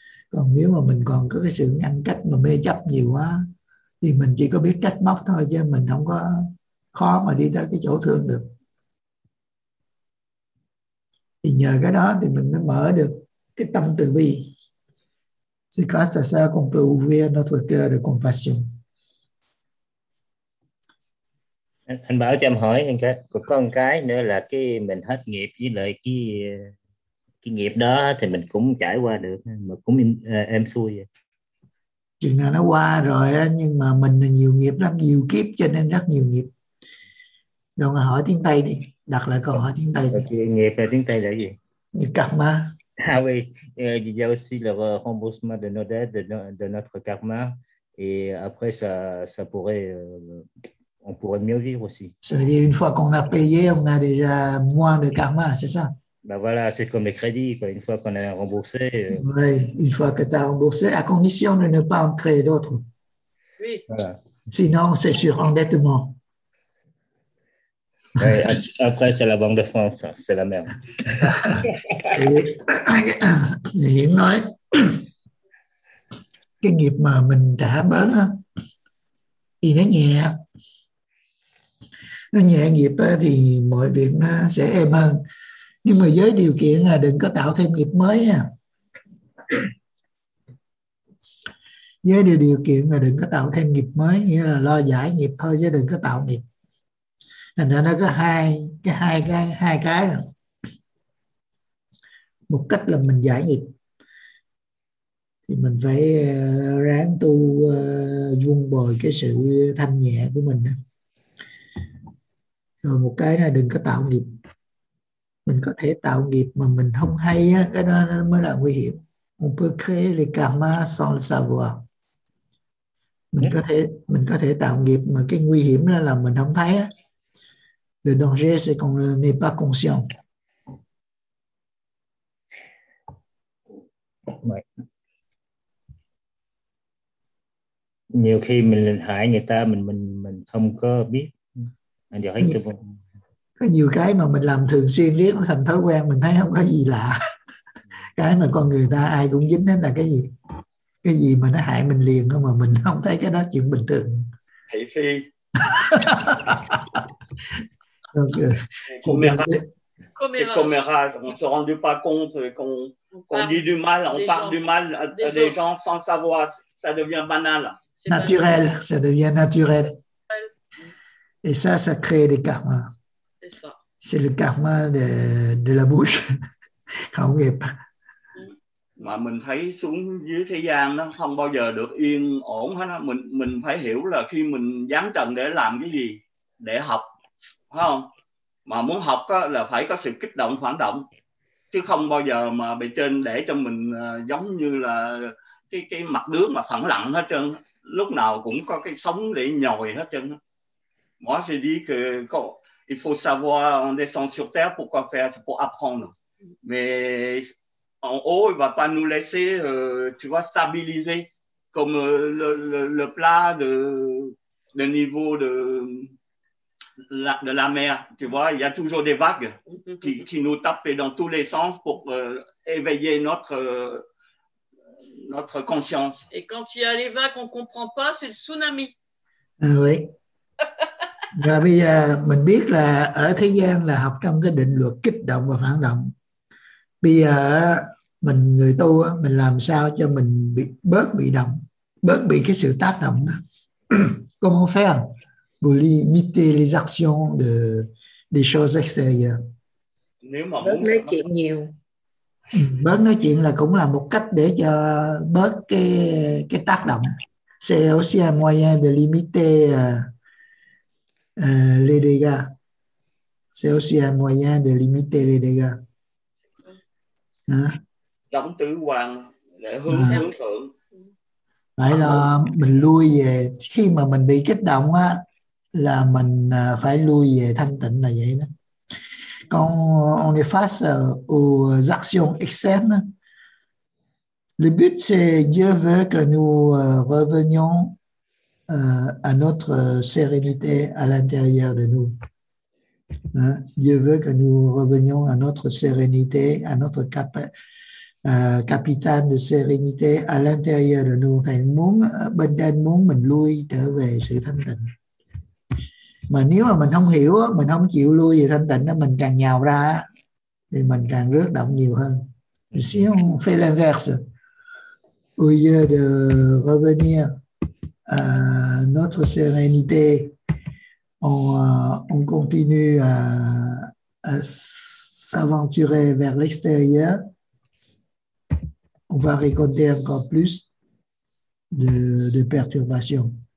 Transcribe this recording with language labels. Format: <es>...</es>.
<vi>Còn nếu mà mình còn có cái sự ngăn cách mà mê chấp nhiều quá thì mình chỉ có biết trách móc thôi, chứ mình không có khó mà đi tới cái chỗ thương được. Thì nhờ cái đó thì mình mới mở được cái tâm từ bi.</vi> <fr>C'est grâce à ça qu'on peut ouvrir notre cœur de compassion.</fr> <vi>Anh bảo cho em hỏi anh cái, có một cái nữa là cái mình hết nghiệp với lại cái nghiệp đó thì mình cũng trải qua được, mà cũng em xui vậy. Chuyện nào nó qua rồi á, nhưng mà mình là nhiều nghiệp lắm, nhiều kiếp cho nên rất nhiều nghiệp. Đâu mà hỏi tiếng Tây đi. Đặt lại câu hỏi tiếng Tây. Nghiệp là tiếng Tây là gì? Nghiệp karma.</vi> <fr>Ah oui, il y a aussi le remboursement de nos dettes, de notre karma, et après, ça pourrait, on pourrait mieux vivre aussi. Ça veut dire une fois qu'on a payé, on a déjà moins de karma, c'est ça? Ben voilà, c'est comme les crédits, quoi. Une fois qu'on a remboursé. Oui, une fois que tu as remboursé, à condition de ne pas en créer d'autres. Oui. Voilà. Sinon, c'est sur endettement. Ouais, après, c'est la Banque de France, c'est la merde.</fr> <vi>Thì nói cái nghiệp mà mình đã bớt á thì nó nhẹ nghiệp á, thì mọi việc nó sẽ êm hơn, nhưng mà với điều kiện là đừng có tạo thêm nghiệp mới nha. Với điều kiện là đừng có tạo thêm nghiệp mới, nghĩa là lo giải nghiệp thôi chứ đừng có tạo nghiệp. Thành ra nó có hai cái rồi. Một cách là mình giải nghiệp thì mình phải ráng tu vung bồi cái sự thanh nhẹ của mình, rồi một cái là đừng có tạo nghiệp. Mình có thể tạo nghiệp mà mình không hay á, cái đó nó mới là nguy hiểm.</vi> <fr>On peut créer les karmas sans le savoir.</fr> <vi>Mình có thể tạo nghiệp mà cái nguy hiểm là mình không thấy á.</vi> <fr>Le danger c'est qu'on n'est pas conscient. Ouais.</fr> <vi>Nhiều khi mình hại người ta mình không có biết. Có nhiều cái mà mình làm thường xuyên riết nó thành thói quen, mình thấy không có gì lạ. Cái mà con người ta ai cũng dính đến là cái gì mà nó hại mình liền mà mình không thấy cái đó chuyện bình thường. Thị phi.</vi> <fr>Commérage. On se rendu pas compte qu'on dit du mal, on parle du mal à des gens sans savoir, ça devient banal. Naturel, ça devient naturel. Et ça crée des karmas. C'est ça. C'est le karma de la bouche.</fr> <vi>Khẩu nghiệp. Mà mình thấy xuống dưới thế gian nó không bao giờ được yên ổn hết á, mình phải hiểu là khi mình giáng trần để làm cái gì, để học, phải không? Mà muốn học á là phải có sự kích động phản động. Chứ không bao giờ mà bề trên để cho mình giống như là cái mặt nước mà phẳng lặng hết trơn, lúc nào cũng có cái sóng để nhồi hết trơn.</vi> <fr>Moi je dis que il faut savoir descendre sur terre pour quoi faire, pour apprendre. Mais en haut, il va pas nous laisser tu vois stabiliser comme le plat de niveau de la mer, tu vois, il y a toujours des vagues qui nous tapent dans tous les sens pour éveiller notre conscience. Et quand il y a les vagues, on comprend pas, c'est le tsunami. Oui.</fr> <vi>Rồi bây giờ mình biết là ở thế gian là học trong cái định luật kích động và phản động. Bây giờ mình người tu mình làm sao cho mình bớt bị động, bớt bị cái sự tác động.</vi> <fr>Comment faire pour limiter les actions des choses extérieures?</fr> <vi>Nếu mà bớt nói chuyện nhiều. Bớt nói chuyện là cũng là một cách để cho bớt cái tác động.</vi> <fr>C'est aussi un moyen de limiter les dégâts. C'est aussi un moyen de limiter les dégâts.</fr> <vi>Đóng tứ quan để hướng thượng. Phải là mình lui về. Khi mà mình bị kích động á, là mình phải lui về thanh tịnh là vậy đó.</vi> <fr>Quand on est face aux actions externes, le but c'est Dieu veut que nous revenions à notre sérénité à l'intérieur de nous. Hein? Dieu veut que nous revenions à notre sérénité, à notre capitaine de sérénité à l'intérieur de nous.</fr> <vi>Thành muốn bên trên muốn mình lui trở về sự thanh tịnh. Mà nếu mà mình không hiểu, mình không chịu lui về thanh tịnh, mình càng nhào ra thì mình càng rước động nhiều hơn.</vi> <fr>Si on fait l'inverse, au lieu de revenir à notre sérénité, on continue à s'aventurer vers l'extérieur, on va récolter encore plus de perturbations.</fr>